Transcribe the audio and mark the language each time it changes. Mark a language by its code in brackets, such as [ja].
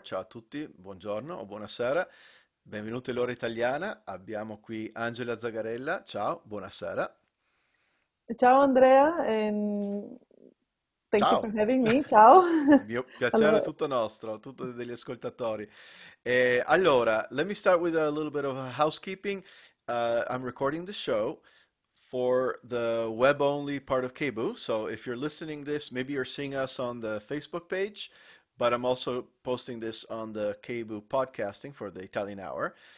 [it] Ciao a tutti, buongiorno o buonasera. Benvenuti all'ora italiana. Abbiamo qui Angela Zagarella. Ciao, buonasera. [en] Ciao Andrea, and thank you for [it] Ciao. [en] having me. Ciao. [it] Mio piacere è Allora. tutto nostro, tutto degli ascoltatori. E allora, [en] let me start with a little bit of housekeeping. I'm recording the show for the web-only part of Cebu. So if you're listening this, maybe you're seeing us on the Facebook page, but I'm also posting this on the Cebu podcasting for the Italian Hour.